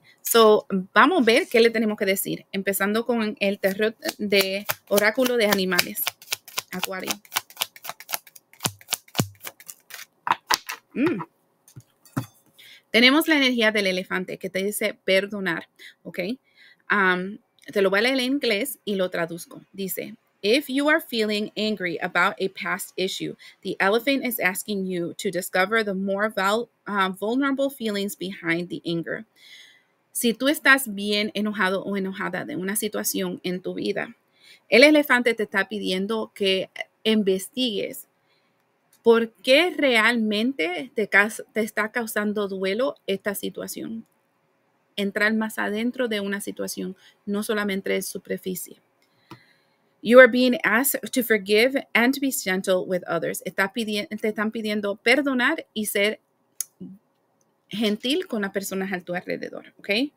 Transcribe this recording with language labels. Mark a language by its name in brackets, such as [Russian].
[Spanish] So, vamos a ver qué le tenemos que decir. Empezando con el tarot de oráculo de animales. Acuario. Tenemos la energía del elefante que te dice perdonar. ¿Ok? Te lo voy a leer en inglés y lo traduzco. Dice, [English] if you are feeling angry about a past issue, the elephant is asking you to discover the more vulnerable feelings behind the anger. [Spanish] Si tú estás bien enojado o enojada de una situación en tu vida, el elefante te está pidiendo que investigues por qué realmente te está causando duelo esta situación. Entrar más adentro de una situación, no solamente en superficie. [English] You are being asked to forgive and to be gentle with others. [Spanish] Te están pidiendo perdonar y ser gentil con las personas a tu alrededor, ¿ok?